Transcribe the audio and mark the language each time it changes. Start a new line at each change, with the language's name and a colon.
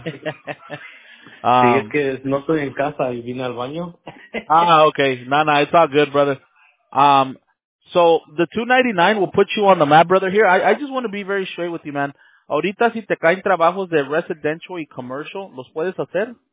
Spanish: Sí, es que no estoy en casa y vine al baño.
English: Okay. Nah, it's all good, brother. So the $299 will put you on the map, brother. Here, I just want to be very straight with you, man.
Spanish: Ahorita si te caen trabajos de residential y commercial, ¿los puedes hacer?